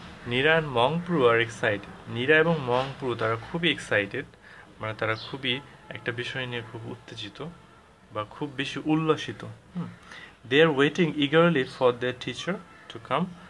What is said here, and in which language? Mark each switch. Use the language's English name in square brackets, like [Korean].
[English] Nira and Mongpru are excited. [Bangla] Nira এবং Mongpru তারা খুবই excited, মানে তারা খুবই একটা বিষয় নিয়ে খুব উত্তেজিত বা খুব বেশি উল্লসিত। [English] They are waiting eagerly for their teacher to come.